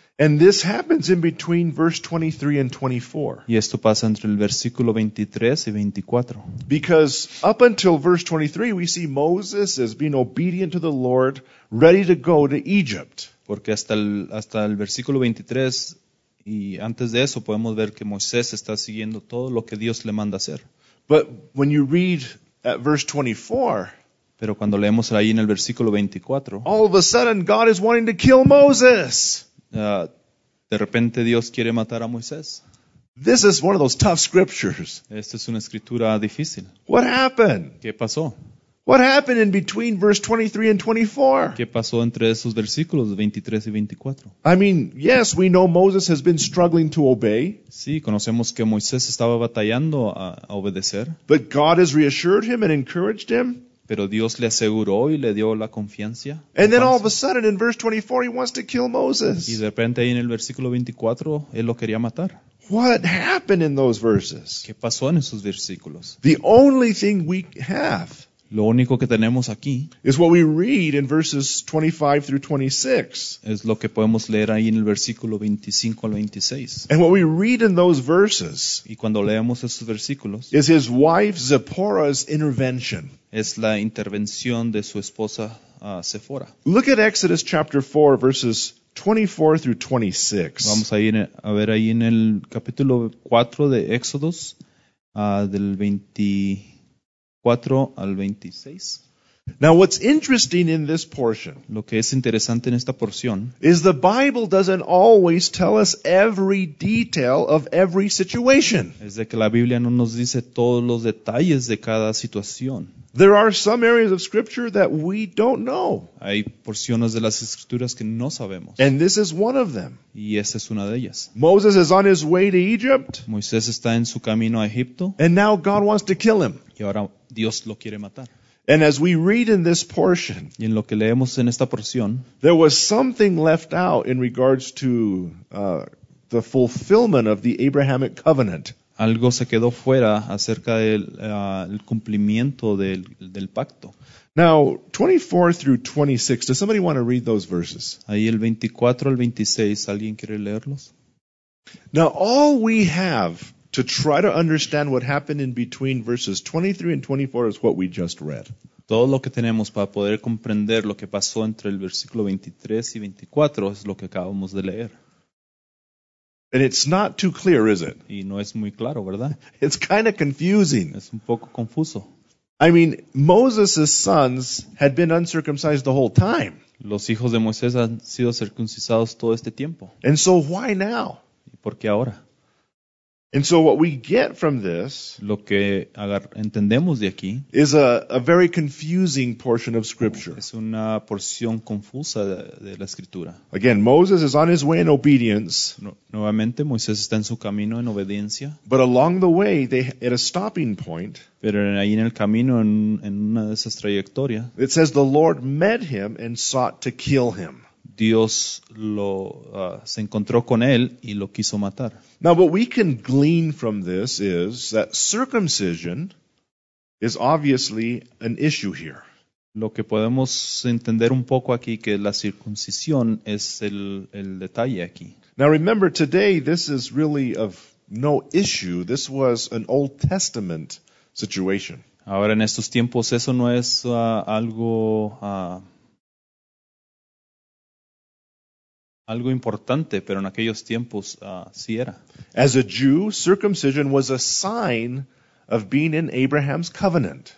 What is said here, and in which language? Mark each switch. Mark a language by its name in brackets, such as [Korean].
[English] And this happens in between verse 23 and 24. [Spanish] Y esto pasa entre el versículo 23 y 24. [English] Because up until verse 23 we see Moses as being obedient to the Lord, ready to go to Egypt. [Spanish] Porque hasta el versículo 23 y antes de eso podemos ver que Moisés está siguiendo todo lo que Dios le manda hacer. [English] But when you read at verse 24, [Spanish] pero cuando leemos ahí en el versículo 24, [English] all of a sudden God is wanting to kill Moses. [Spanish] De repente Dios quiere matar a Moisés. [English] This is one of those tough scriptures. [Spanish] Esta es una escritura difícil. [English] What happened? [Spanish] ¿Qué pasó? [English] What happened in between verse 23 and 24? [Spanish] ¿Qué pasó entre esos versículos 23 y 24? [English] I mean, yes, we know Moses has been struggling to obey. [Spanish] Sí, conocemos que Moisés estaba batallando a obedecer. [English] But God has reassured him and encouraged him. [Spanish] Pero Dios le aseguró y le dio la confianza. [English] And then all of a sudden in verse 24 he wants to kill Moses. [Spanish] Y de repente ahí en el versículo 24 él lo quería matar. [English] What happened in those verses? [Spanish] ¿Qué pasó en esos versículos? [English] The only thing we have [Spanish] lo único que tenemos aquí [English] is what we read in verses 25 through 26. [Spanish] Es lo que podemos leer ahí en el versículo 25 al 26. [English] And what we read in those verses [Spanish] y cuando leemos esos versículos [English] is his wife Zipporah's intervention. [Spanish] Es la intervención de su esposa Zipporah. [English] Look at Exodus chapter 4 verses 24 through 26. [Spanish] Vamos a ir a ver ahí en el capítulo 4 de Éxodos del 24 al 26. [English] Now what's interesting in this portion, [Spanish] lo que es interesante en esta porción, [English] is the Bible doesn't always tell us every detail of every situation. [Spanish] Es de que la Biblia no nos dice todos los detalles de cada situación. [English] There are some areas of scripture that we don't know. [Spanish] Hay porciones de las escrituras que no sabemos. [English] And this is one of them. [Spanish] Y esa es una de ellas. [English] Moses is on his way to Egypt. [Spanish] Moisés está en su camino a Egipto. [English] And now God wants to kill him. [Spanish] Y ahora Dios lo quiere matar. [English] And as we read in this portion, [Spanish] y en lo que leemos en esta porción, [English] there was something left out in regards to the fulfillment of the Abrahamic covenant. [Spanish] Algo se quedó fuera acerca del el cumplimiento del pacto. [English] Now, 24 through 26, does somebody want to read those verses? [Spanish] Ahí el 24 al 26, ¿alguien quiere leerlos? [English] Now, all we have to try to understand what happened in between verses 23 and 24 is what we just read. [Spanish] Todo lo que tenemos para poder comprender lo que pasó entre el versículo 23 y 24 es lo que acabamos de leer. [English] And it's not too clear, is it? [Spanish] Y no es muy claro, ¿verdad? [English] It's kind of confusing. [Spanish] Es un poco confuso. [English] I mean, Moses' sons had been uncircumcised the whole time. [Spanish] Los hijos de Moisés han sido circuncidados todo este tiempo. [English] And so why now? [Spanish] ¿Y por qué ahora? [English] And so what we get from this [Spanish] lo que entendemos de aquí [English] is a very confusing portion of Scripture. [Spanish] Es una porción confusa de la Escritura. [English] Again, Moses is on his way in obedience. [Spanish] Nuevamente, Moisés está en su camino en obediencia. [English] But along the way, at a stopping point, [Spanish] pero ahí en el camino, en una de esas trayectorias, [English] it says the Lord met him and sought to kill him. [Spanish] Dios lo se encontró con él y lo quiso matar. [English] Now, what we can glean from this is that circumcision is obviously an issue here. [Spanish] Lo que podemos entender un poco aquí que la circuncisión es el detalle aquí. [English] Now, remember, today this is really of no issue. This was an Old Testament situation. [Spanish] Ahora, en estos tiempos, eso no es algo algo importante, pero en aquellos tiempos sí era. [English] As a Jew, circumcision was a sign of being in Abraham's covenant.